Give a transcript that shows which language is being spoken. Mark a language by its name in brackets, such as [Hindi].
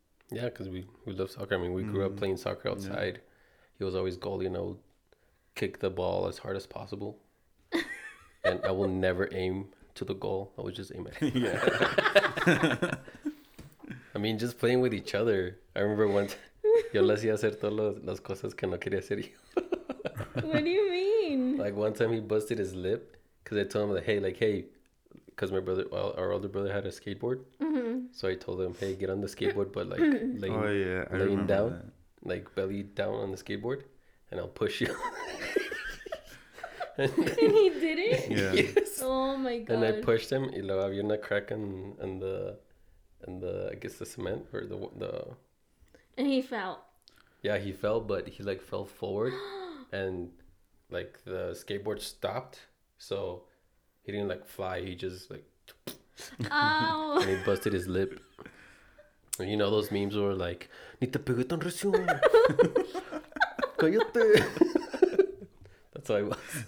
[English] Yeah, because we love soccer. I mean, we grew up playing soccer outside. Yeah. He was always goal, you know, kick the ball as hard as possible. And I will never aim to the goal. I would just aim at him. Yeah. I mean, just playing with each other. I remember once, [Spanish] yo le hacía hacer todas las cosas que no quería hacer. [English] What do you mean? Like one time he busted his lip because I told him, hey, because my brother, well, our older brother had a skateboard. Mm-hmm. So I told him, hey, get on the skateboard, but like laying down, that. Like belly down on the skateboard, and I'll push you. And he did it? Yeah. Yes. Oh my God. And I pushed him, [Spanish] y lo había una [English] crack the cement or the. And he fell. Yeah, he fell, but he like fell forward and like the skateboard stopped. So he didn't like fly, he just like. Ow. And he busted his lip. And you know those memes where like, [Spanish] ni te pegué tan recio. Cállate. [English] That's how I was.